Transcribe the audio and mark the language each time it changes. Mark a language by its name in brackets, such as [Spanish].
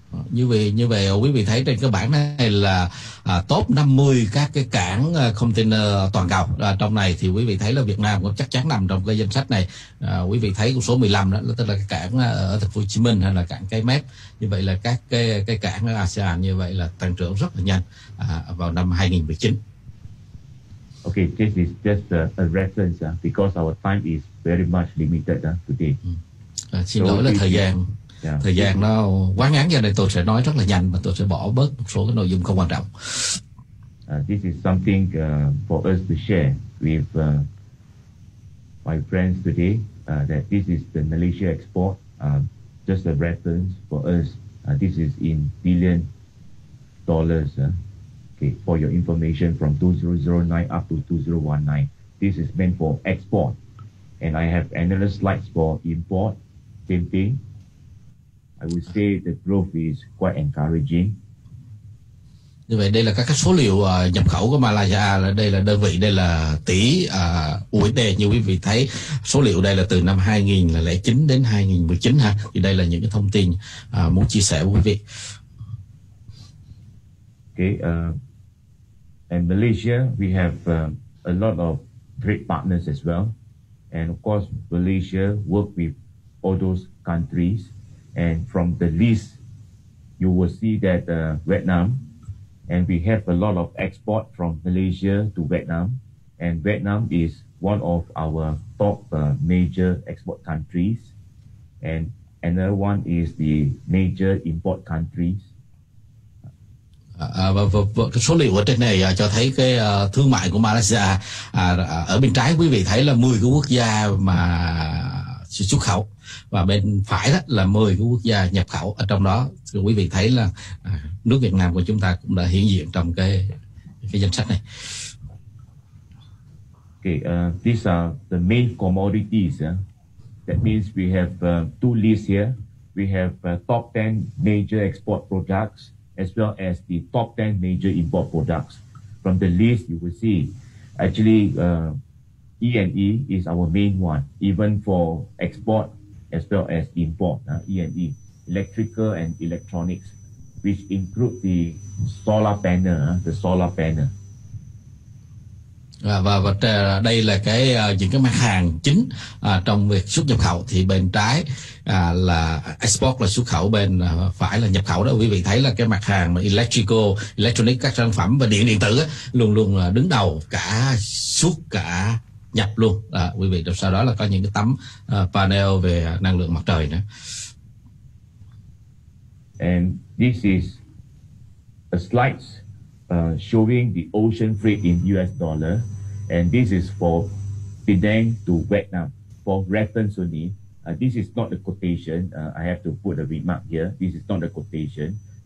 [Vietnamese] Như vậy quý vị thấy trên cái bảng này là top 50 các cái cảng container toàn cầu. Trong này thì quý vị thấy là Việt Nam cũng chắc chắn nằm trong cái danh sách này. Quý vị thấy con số 15 đó, tức là cái cảng ở Thành phố Hồ Chí Minh hay là cảng Cái Mép. Như vậy là các cái cảng ở ASEAN như vậy là tăng trưởng rất là nhanh vào năm 2019. [English] Okay, this is just a reference because our time is very much limited today. [Vietnamese] Xin lỗi là thời gian. Yeah. Thời gian nó quá ngắn, giờ này tôi sẽ nói rất là nhanh và tôi sẽ bỏ bớt một số cái nội dung không quan trọng. [English] This is something for us to share with my friends today, that this is the Malaysia export, just a reference for us. This is in billion dollars, okay, for your information, from 2009 up to 2019. This is meant for export. And I have analyst slides for import, same thing. I would say the growth is quite encouraging. [Vietnamese] Như vậy đây là các số liệu nhập khẩu của Malaysia, đây là đơn vị, đây là tỷ USD. Như quý vị thấy, số liệu đây là từ năm 2009 đến 2019 ha. Thì đây là những cái thông tin muốn chia sẻ với quý vị. [English] Okay, and Malaysia, we have a lot of trade partners as well. And of course, Malaysia work with all those countries. And from the list, you will see that Vietnam, and we have a lot of export from Malaysia to Vietnam, and Vietnam is one of our top major export countries, and another one is the major import countries. [Vietnamese] Cái số liệu ở trên này cho thấy cái thương mại của Malaysia ở bên trái quý vị thấy là 10 cái quốc gia mà xuất khẩu. Và bên phải đó là 10 cái quốc gia nhập khẩu. Ở trong đó quý vị thấy là nước Việt Nam của chúng ta cũng đã hiện diện trong cái danh sách này. [English] Okay, these are the main commodities. That means we have two lists here. We have top 10 major export products as well as the top 10 major import products. From the list you will see actually E&E is our main one, even for export as well as import, E&E, electrical and electronics, which include the solar panel, [Vietnamese] Và đây là cái những cái mặt hàng chính trong việc xuất nhập khẩu. Thì bên trái là export là xuất khẩu, bên phải là nhập khẩu đó. Quý vị thấy là cái mặt hàng electrical, electronic, các sản phẩm và điện điện tử luôn luôn đứng đầu cả xuất cả nhập luôn, quý vị. Sau đó là có những cái tấm panel về năng lượng mặt trời nữa. [English] And this is a slide showing the ocean freight in US dollar, and this is for Penang to Vietnam for reference only. This is not a quotation. I have to put a remark here. This is not a quotation.